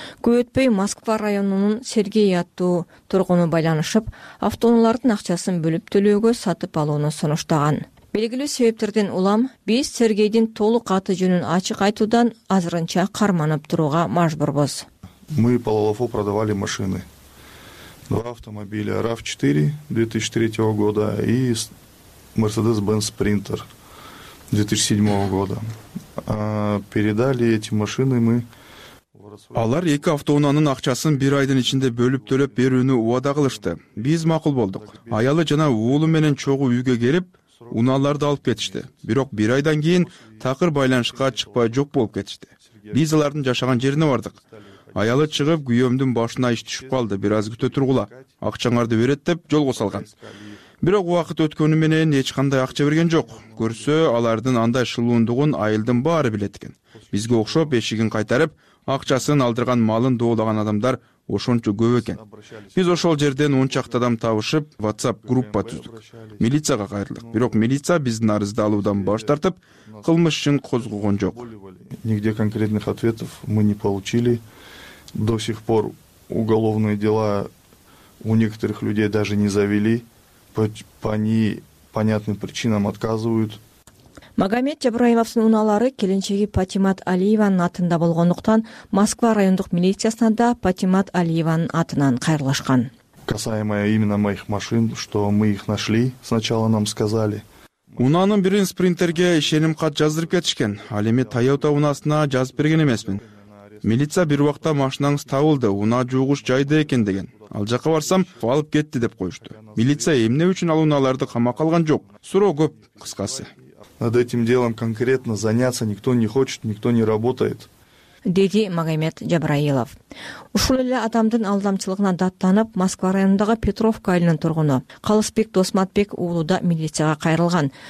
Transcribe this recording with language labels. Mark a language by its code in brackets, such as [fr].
[ky] Көп өтпөй Москва районунун Сергей аттуу тургуну байланышып, автоунаалардын акчасын бөлүп төлөөгө сатып алууну сунуштаган. Белгилүү себептерден улам биз Сергейдин толук аты жөнүн ачык айтуудан азырынча карманып турууга мажбурбуз. [ru] Мы по Лалафу продавали машины. Два автомобиля RAV4 2003 года и Mercedes-Benz Sprinter 2007 года. Передали эти машины мы. [ky] Алар эки автоунаанын акчасын бир айдын ичинде бөлүп төлөп берүүнү убада кылышты. Биз макул болдук. Аялы жана уулу менен чогуу үйгө келип, унааларды алып кетишти. Бирок бир айдан кийин такыр байланышка чыкпай жок болуп кетишти. Биз алардын жашаган жерине бардык. Аялы чыгып, күйөөмдүн башына иш түшүп калды, бир аз күтө тургула, акчаңарды берет деп жолго салган. Бирок убакыт өткөнү менен эч кандай акча берген жок. Көрсө, алардын андай шылуундугун айылдын баары билет экен. Бизге окшоп, эшигин кайтарып, акчасын алдырган малын доолаган адамдар ошончо көп экен. Биз ошол жерден 10 чакты адам табышып, WhatsApp группа түздүк. Милицияга кайрылдык. Бирок милиция биздин арызды алуудан баш тартып, кылмыш ишин козгогон жок. [ru] Нигде конкретных ответов мы не получили. До сих пор уголовные дела у некоторых людей даже не завели, по непонятным причинам отказывают. [ky] Магомед Жабраиловдун унаалары келинчеги Патимат Алиеванын атында болгондуктан Москва райондук милициясына да Патимат Алиеванын атынан кайрылышкан. [ru] Касаемо именно моих машин, что мы их нашли, сначала нам сказали. [ky] Унаанын бирин спринтерге ишеним кат жаздырып кетишкен, ал эми Toyota унаасына жазып берген эмесмин. Милиция бир убакта машинаңыз табылды, унаа жуугуч жайда экен деген. Ал жака барсам, алып кетти деп коюшту. Милиция эмне үчүн ал унааларды камакка алган жок? Суроо көп, кыскасы. [ru] Над этим делом конкретно заняться никто не хочет, никто не работает. [ky] Деди Магомед Жабраилов. Ушул эле адамдын алдамчылыгына даттанып, Москва районундагы Петровка айылынын тургуну Калысбек Досматбек уулу да милицияга кайрылган.